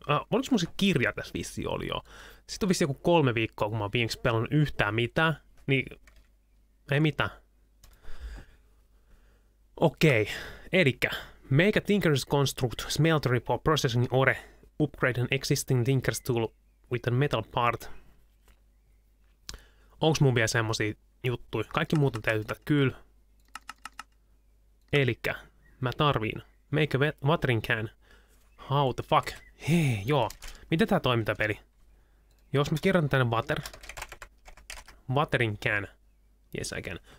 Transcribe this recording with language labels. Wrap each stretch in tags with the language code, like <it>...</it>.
<fi>Oliks mun se kirja tässä vissi oli jo? Sitten on vissi joku 3 viikkoa, kun mä oon viimeksi pelannut yhtään mitään. Niin, ei mitään. Okei.</fi> <en>Elikkä, make a tinker's construct, smeltery for processing ore, upgrade an existing tinker's tool with a metal part.</en> <fi>Onks mun vielä semmosia juttuja? Kaikki muuta täytyy, kyllä. Elikkä, mä tarviin.</fi> <en>Make a watering can. How the fuck?</en> <fi>Hei, joo. Miten tää toimii tää peli? Jos mä kirjoitan tänne water.</fi> <en>Watering can. Yes, I can.</en>